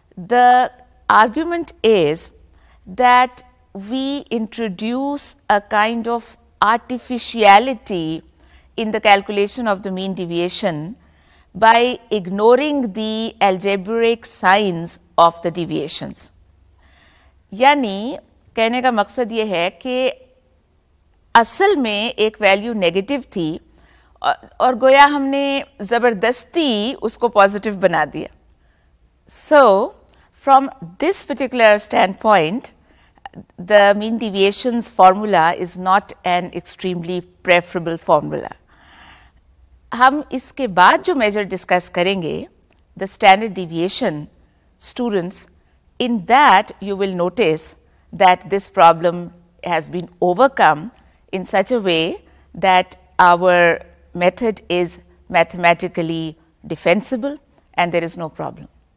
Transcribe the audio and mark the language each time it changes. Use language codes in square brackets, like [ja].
[en] The argument is that we introduce a kind of artificiality in the calculation of the mean deviation by ignoring the algebraic signs of the deviations. [ur] یعنی کہنے کا مقصد یہ ہے کہ اصل میں ایک ویلیو نگیٹو تھی اور گویا ہم نے زبردستی اس کو پازیٹیو بنا دیا. [en] So from this particular standpoint the mean deviations formula is not an extremely preferable formula. [ur] Hum iske baad jo measure discuss karenge, [en] the standard deviation, students, in that you will notice that this problem has been overcome in such a way that our method is mathematically defensible and there is no problem.